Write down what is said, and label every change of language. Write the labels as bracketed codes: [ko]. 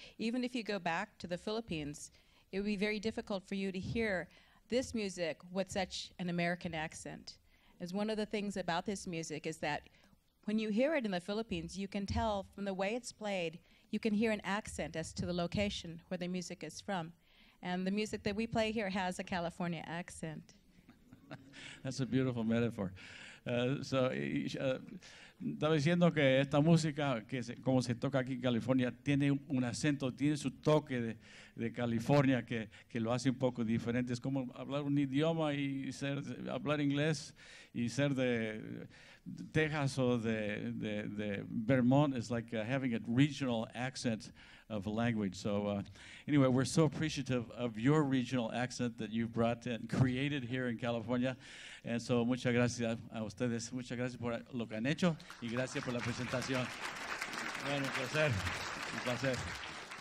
[en] Even if you go back to the Philippines, it would be very difficult for you to hear this music with such an American accent. As one of the things about this music is that when you hear it in the Philippines, you can tell from the way it's played, you can hear an accent as to the location where the music is from. And the music that we play here has a California accent. That's a beautiful metaphor. [es] Estaba diciendo que esta música, como se toca aquí en California, tiene un acento, tiene su toque de California que lo hace un poco diferente. Es como hablar un idioma y hablar inglés y ser de Texas [en] or the Vermont is like having a regional accent of language. So anyway, we're so appreciative of your regional accent that you've brought and created here in California. And so [es] muchas gracias a ustedes. Muchas gracias por lo que han hecho y gracias por la presentación. Bueno, un placer.